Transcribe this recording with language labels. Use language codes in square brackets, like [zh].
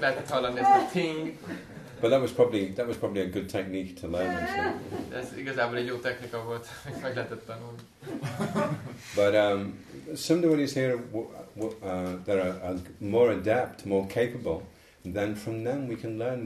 [en] But that was probably a good technique to learn. [hu] Ez igazából egy jó technika volt, meg lehetett tanulni. [en] But some devotees here that are more adept, more capable, then from them we can learn.